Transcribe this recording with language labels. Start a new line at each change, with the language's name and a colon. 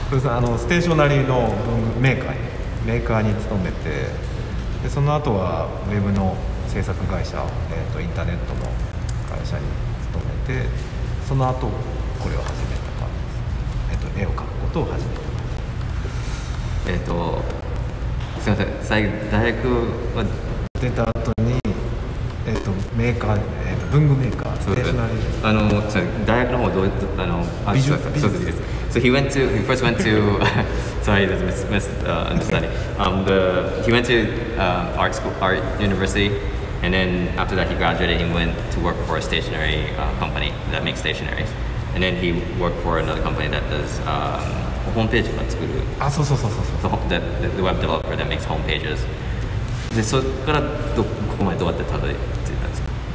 Japanese: あのステーショナリーの文具メーカーに勤めて、でその後はウェブの制作会社、インターネットの会社に勤めて、その後これを始めた感じです。絵を描くことを始めた感じ。すいません、最後大学は出た後に、メーカー、文具メーカー、ステーショナリー、あの大学の方どうやって、あの美術です。
English: So he first went to sorry, that's misunderstanding. He went to art school, art university, and then after that he graduated, he went to work for a stationery company that makes stationaries. And then he worked for another company that does homepage. The web developer that makes homepages.
Japanese: でそこからどここまでどうやってたどり着いたんですか？